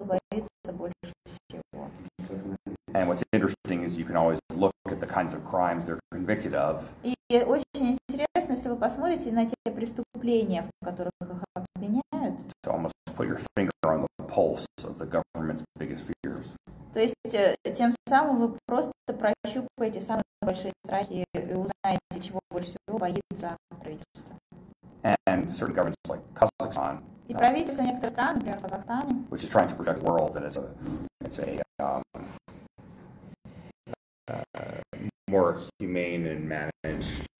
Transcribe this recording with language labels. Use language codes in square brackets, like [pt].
[en] and what's interesting is you can always look at the kinds of crimes they're convicted of. [ru] И очень интересно, если вы посмотрите на те преступления, в которых их обвиняют. [en] To almost put your finger on the pulse of the government's biggest fears. [ru] То есть тем самым вы просто прощупываете самые большие страхи и узнаете, чего больше всего боится правительство. [en] And certain governments like Kazakhstan. [ru] И правительство некоторых стран, например, Казахстане. [en] Which is trying to protect the world that it's a more humane and managed.